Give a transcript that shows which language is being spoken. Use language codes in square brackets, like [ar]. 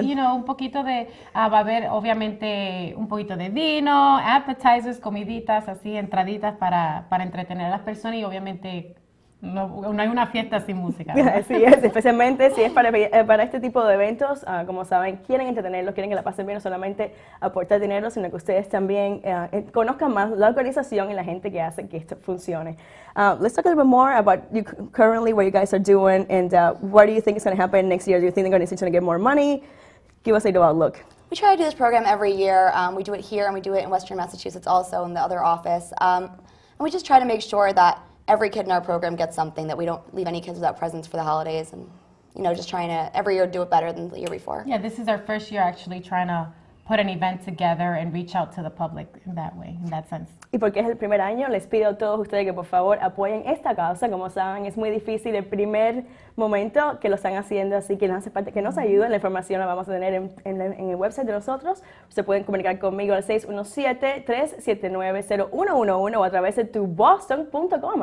[es] Sí, un poquito de, va a haber obviamente un poquito de vino, appetizers, comiditas, así, entraditas para entretener a las personas y obviamente no hay una fiesta sin música, ¿no? Sí, es, especialmente si es para este tipo de eventos, como saben, quieren entretenerlos, quieren que la pasen bien, no solamente aportar dinero, sino que ustedes también conozcan más la organización y la gente que hace que esto funcione. [en] Let's talk a little bit more about you currently, what you guys are doing, and what do you think is going to happen next year? Do you think the organization is going to get more money? Give us a little outlook. We try to do this program every year. We do it here, and we do it in Western Massachusetts also in the other office. And we just try to make sure that every kid in our program gets something, that we don't leave any kids without presents for the holidays, and you know, just trying to every year do it better than the year before. Yeah, this is our first year actually trying to put an event together and reach out to the public in that way, in that sense. [es] Y porque es el primer año, les pido a todos ustedes que por favor apoyen esta causa. Como saben, es muy difícil el primer momento que lo están haciendo, así que hace parte que nos ayuden. La información la vamos a tener en el website de nosotros. Se pueden comunicar conmigo al 617-379-0111 o a través de toboston.com.